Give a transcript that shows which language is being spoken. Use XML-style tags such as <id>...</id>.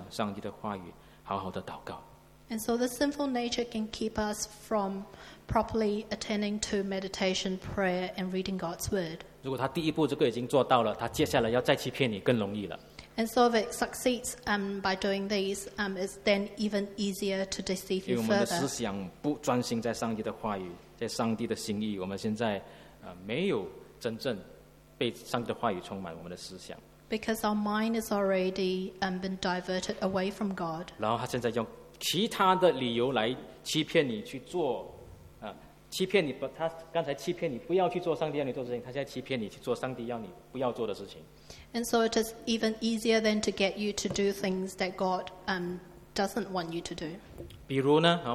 <zh>所以罪性呢，用各种的方法来使你没有好好的我们的思想，好好的读上帝的话语，好好的默想上帝的话语，好好的祷告。</zh> <en>And so the sinful nature can keep us from properly attending to meditation, prayer, and reading God's word.</en> <zh>如果他第一步这个已经做到了，他接下来要再欺骗你更容易了。</zh> <en>And so if it succeeds by doing these, it's then even easier to deceive you further.</en> <zh>因为我们的思想不专心在上帝的话语，在上帝的心意，我们现在 没有真正被上帝的话语充满我们的思想。</zh> <en>Because our mind is already been diverted away from God.</en> <zh>然后他现在用 其他的理由来欺骗你去做，欺骗你不，他刚才欺骗你不要去做上帝要你做的事情，他现在欺骗你去做上帝要你不要做的事情。</zh> <en>And so it is even easier than to get you to do things that God doesn't want you to do.</en>